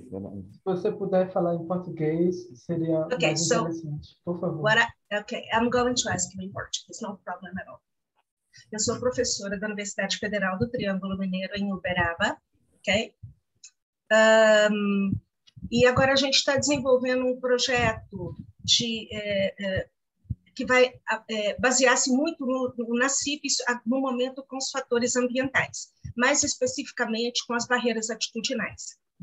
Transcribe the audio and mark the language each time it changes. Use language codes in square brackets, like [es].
[pt] Se você puder falar em português, seria okay, mais interessante. [en] So, [pt] por favor. [en] I'm going to ask you in Portuguese, no problem at all. [pt] Eu sou professora da Universidade Federal do Triângulo Mineiro em Uberaba, ok? E agora a gente está desenvolvendo um projeto de... que vai basear-se muito na CIP, no momento, com os fatores ambientais, mais especificamente com as barreiras atitudinais.